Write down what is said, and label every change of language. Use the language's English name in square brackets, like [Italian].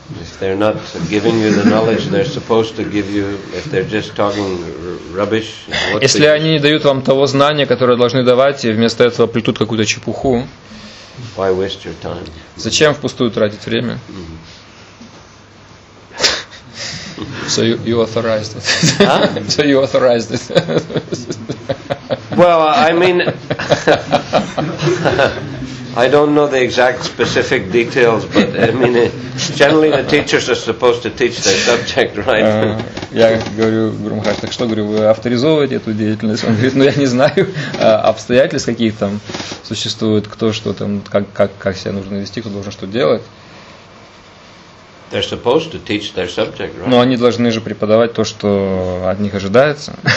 [English] If they're not giving you the knowledge they're supposed to give you, if they're just talking rubbish, [Russian] если они не дают вам того знания, которое должны давать, и вместо этого плетут какую-то чепуху, [English] why waste your time? [Russian] Зачем впустую тратить время? [English] So you authorized it. Huh? So you authorized it. Well, I mean, I don't know the exact specific details, but I mean, generally the teachers are supposed to teach their subject, right? [Russian] Я говорю Грумхаш, так что говорю, вы авторизовываете эту деятельность? Он говорит, ну я не знаю обстоятельств каких там существует, кто что там, как себя нужно вести, кто должен что делать. [English] They're supposed to teach their subject, right? [Russian] Но они должны же преподавать то, что от них ожидается.